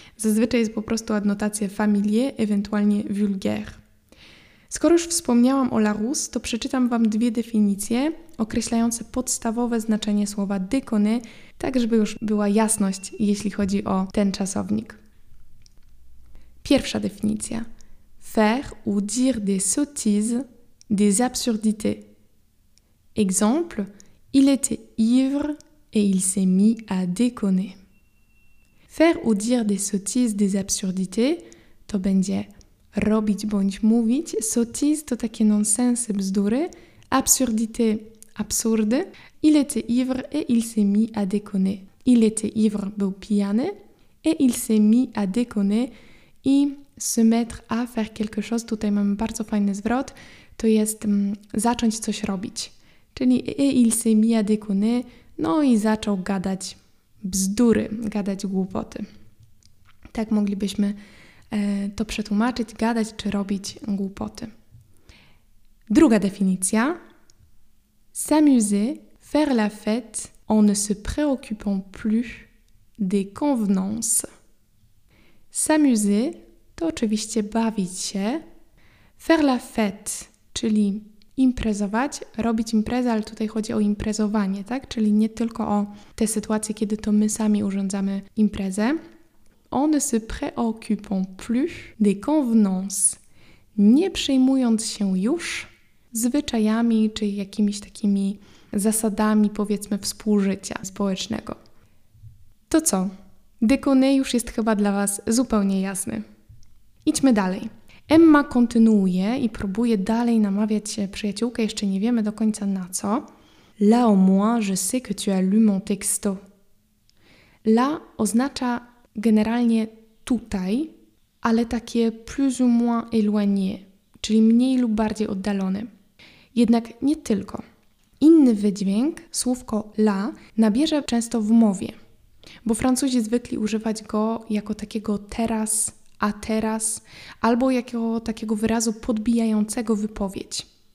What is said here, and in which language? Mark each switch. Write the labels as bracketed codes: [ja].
[pl] Zazwyczaj jest po prostu adnotacja familier, ewentualnie vulgaire. Skoro już wspomniałam o Larousse, to przeczytam Wam dwie definicje określające podstawowe znaczenie słowa déconné, tak żeby już była jasność, jeśli chodzi o ten czasownik. Pierwsza definicja. [fr] Faire ou dire des sottises, des absurdités. Exemple, il était ivre et il s'est mis à déconner. Faire ou dire des sottises, des absurdités, [pl] to będzie robić bądź mówić. Sottise to takie nonsens, bzdury. Absurdité, absurde. [fr] Il était ivre et il s'est mis à déconner. Il était ivre, [pl] był pijany. [fr] Et il s'est mis à déconner. [pl] I [fr] se mettre à faire quelque chose, [pl] tutaj mamy bardzo fajny zwrot, to jest zacząć coś robić. Czyli [fr] il s'est mis à déconner, [pl] no i zaczął gadać bzdury, gadać głupoty. Tak moglibyśmy to przetłumaczyć, gadać czy robić głupoty. Druga definicja. [fr] S'amuser, faire la fête en ne se préoccupant plus des convenances. [pl] S'amuser to oczywiście bawić się. Faire la fête, czyli imprezować, robić imprezę, ale tutaj chodzi o imprezowanie, tak? Czyli nie tylko o te sytuacje, kiedy to my sami urządzamy imprezę. [fr] On ne se préoccupant plus des convenances. [pl] Nie przejmując się już zwyczajami czy jakimiś takimi zasadami, powiedzmy, współżycia społecznego. To co? Déconner już jest chyba dla Was zupełnie jasny. Idźmy dalej. Emma kontynuuje i próbuje dalej namawiać się przyjaciółkę, jeszcze nie wiemy do końca na co. [fr] Là au moins, je sais que tu as lu mon texto. [pl] Là oznacza generalnie tutaj, ale takie [fr] plus ou moins éloigné, [pl] czyli mniej lub bardziej oddalone. Jednak nie tylko. Inny wydźwięk, słówko là, nabierze często w mowie, bo Francuzi zwykli używać go jako takiego teraz, a teraz, albo jakiego takiego wyrazu podbijającego wypowiedź.